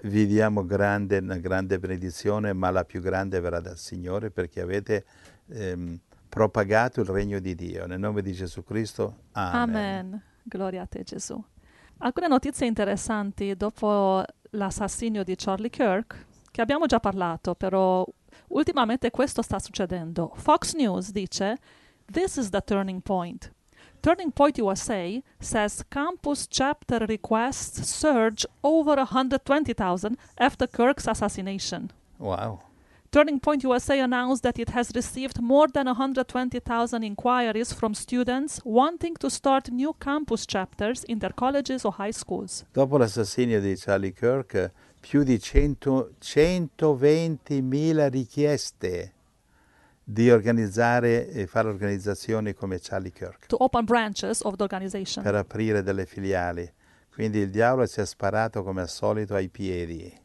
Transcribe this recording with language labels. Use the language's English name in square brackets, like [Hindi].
[Italian] Vi diamo una grande benedizione, ma la più grande verrà dal Signore, perché avete propagato il regno di Dio. Nel nome di Gesù Cristo, amen. Amen. Gloria a te, Gesù. Alcune notizie interessanti dopo l'assassinio di Charlie Kirk, che abbiamo già parlato, però ultimamente questo sta succedendo. [English] Fox News dice, "This is the turning point." Turning Point USA says campus chapter requests surge over 120,000 after Kirk's assassination. Wow. Turning Point USA announced that it has received more than 120,000 inquiries from students wanting to start new campus chapters in their colleges or high schools. [Italian] Dopo l'assassinio di Charlie Kirk, più di 120,000 richieste di organizzare e fare organizzazioni come Charlie Kirk. [English] To open branches of the organization. [Italian] Per aprire delle filiali. Quindi il diavolo si è sparato come al solito ai piedi.